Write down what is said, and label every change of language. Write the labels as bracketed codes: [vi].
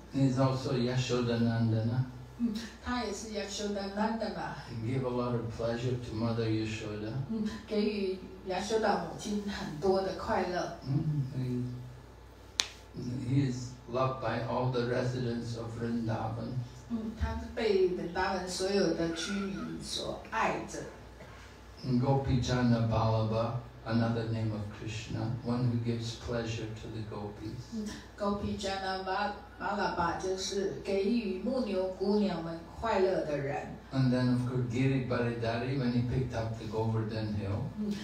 [en] He's also Yashoda Nandana. [zh] 他也是 Yashoda Nandana. [en] He gave a lot of pleasure to Mother Yashoda. [zh] 给予 Yashoda 母亲很多的快乐。 [en] He is loved by all the residents of Vrindavan. [zh] 他被本达文所有的居民所爱着。 [en] Gopijana Balabha, another name of Krishna, one who gives pleasure to the gopis. [zh] Gopijana Balabha 就是给予牧牛姑娘们快乐的人。 [en] And then of course Giri Bharadari, when he picked up the Govardhan Hill.